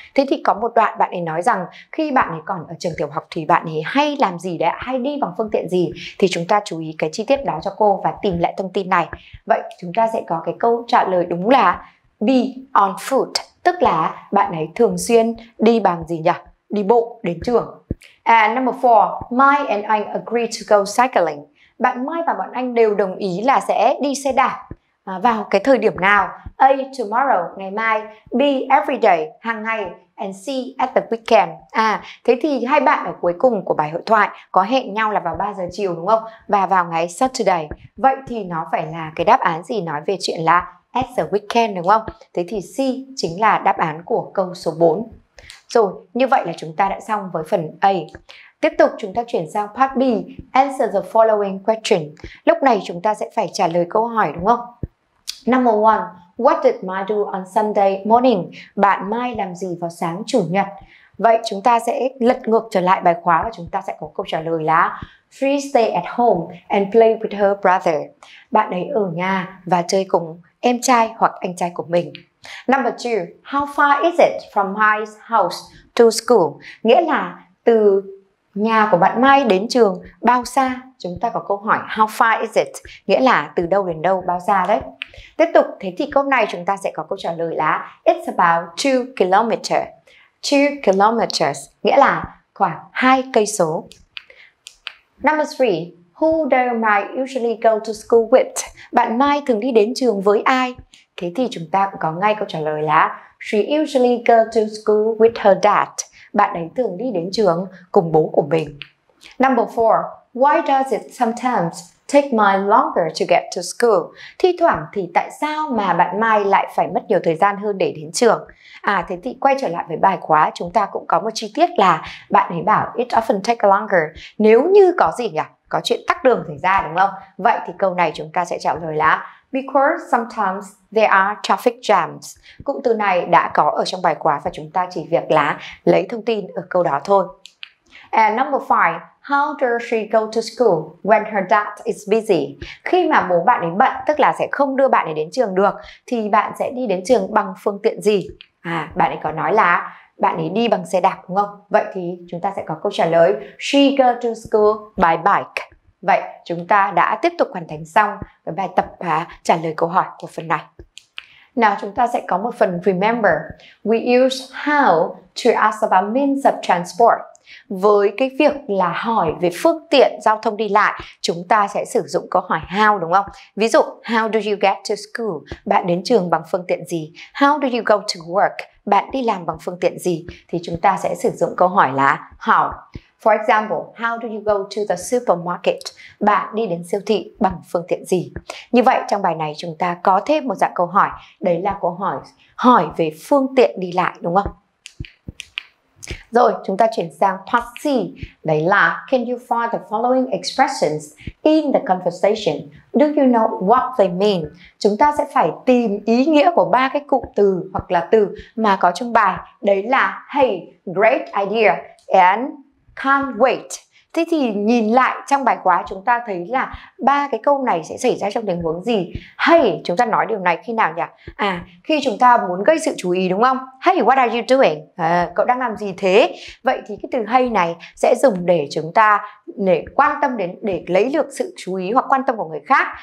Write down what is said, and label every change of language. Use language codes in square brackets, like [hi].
[vi] Thế thì có một đoạn bạn ấy nói rằng khi bạn ấy còn ở trường tiểu học thì bạn ấy hay làm gì đấy, hay đi bằng phương tiện gì, thì chúng ta chú ý cái chi tiết đó cho cô và tìm lại thông tin này. Vậy chúng ta sẽ có cái câu trả lời đúng là B, [en] on foot, [vi] tức là bạn ấy thường xuyên đi bằng gì nhỉ? Đi bộ đến trường. [en] And number 4, Mai and I agreed to go cycling. [vi] Bạn Mai và bọn anh đều đồng ý là sẽ đi xe đạp vào cái thời điểm nào? [en] A, tomorrow, [vi] ngày mai. [en] B, every day, [vi] hàng ngày. [en] And C, at the weekend. [vi] À, thế thì hai bạn ở cuối cùng của bài hội thoại có hẹn nhau là vào 3 giờ chiều, đúng không? Và vào ngày Saturday. Vậy thì nó phải là cái đáp án gì nói về chuyện là [en] at the weekend, [vi] đúng không? Thế thì C chính là đáp án của câu số 4. Rồi, như vậy là chúng ta đã xong với phần A. Tiếp tục chúng ta chuyển sang part B, [en] answer the following question. [vi] Lúc này chúng ta sẽ phải trả lời câu hỏi, đúng không? [en] Number 1, what did Mai do on Sunday morning? [vi] Bạn Mai làm gì vào sáng chủ nhật? Vậy chúng ta sẽ lật ngược trở lại bài khóa và chúng ta sẽ có câu trả lời là [en] she stayed at home and played with her brother. [vi] Bạn ấy ở nhà và chơi cùng em trai hoặc anh trai của mình. [en] Number 2, how far is it from Mai's house to school? [vi] Nghĩa là từ nhà của bạn Mai đến trường bao xa? Chúng ta có câu hỏi [en] how far is it, [vi] nghĩa là từ đâu đến đâu, bao xa đấy. Tiếp tục, thế thì câu này chúng ta sẽ có câu trả lời là [en] it's about 2 kilometers. [vi] 2 kilometers nghĩa là khoảng 2 cây số. [en] Number 3, who does Mai usually go to school with? [vi] Bạn Mai thường đi đến trường với ai? Thế thì chúng ta cũng có ngay câu trả lời là [en] she usually go to school with her dad. [vi] Bạn ấy thường đi đến trường cùng bố của mình. [en] Number 4, why does it sometimes take Mai longer to get to school? [vi] Thi thoảng thì tại sao mà bạn Mai lại phải mất nhiều thời gian hơn để đến trường? À, thế thì quay trở lại với bài khóa, chúng ta cũng có một chi tiết là bạn ấy bảo [en] it often take longer. [vi] Nếu như có gì nhỉ? Có chuyện tắc đường xảy ra, đúng không? Vậy thì câu này chúng ta sẽ trả lời là [en] because sometimes there are traffic jams. [vi] Cụm từ này đã có ở trong bài khóa và chúng ta chỉ việc là lấy thông tin ở câu đó thôi. And number 5, how does she go to school when her dad is busy? Khi mà bố bạn ấy bận, tức là sẽ không đưa bạn ấy đến trường được, thì bạn sẽ đi đến trường bằng phương tiện gì? À, bạn ấy có nói là bạn ấy đi bằng xe đạp, đúng không? Vậy thì chúng ta sẽ có câu trả lời [en] she go to school by bike. [vi] Vậy chúng ta đã tiếp tục hoàn thành xong cái bài tập và trả lời câu hỏi của phần này. Nào, chúng ta sẽ có một phần [en] remember. We use how to ask about means of transport. [vi] Với cái việc là hỏi về phương tiện giao thông đi lại, chúng ta sẽ sử dụng câu hỏi how, đúng không? [en] Ví dụ, how do you get to school? [vi] Bạn đến trường bằng phương tiện gì? [en] How do you go to work? [vi] Bạn đi làm bằng phương tiện gì? Thì chúng ta sẽ sử dụng câu hỏi là how. [en] For example, how do you go to the supermarket? [vi] Bạn đi đến siêu thị bằng phương tiện gì? Như vậy, trong bài này chúng ta có thêm một dạng câu hỏi. Đấy là câu hỏi hỏi về phương tiện đi lại, đúng không? Rồi, chúng ta chuyển sang part C. Đấy là, [en] can you find the following expressions in the conversation? Do you know what they mean? [vi] Chúng ta sẽ phải tìm ý nghĩa của ba cái cụm từ hoặc là từ mà có trong bài. Đấy là, [en] hey, great idea, and can't wait. [vi] Thế thì nhìn lại trong bài khóa chúng ta thấy là ba cái câu này sẽ xảy ra trong tình huống gì? Hey, chúng ta nói điều này khi nào nhỉ? À, khi chúng ta muốn gây sự chú ý, đúng không? [en] Hey, what are you doing? [vi] À, cậu đang làm gì thế? Vậy thì cái từ hey này sẽ dùng để chúng ta để quan tâm đến, để lấy được sự chú ý hoặc quan tâm của người khác.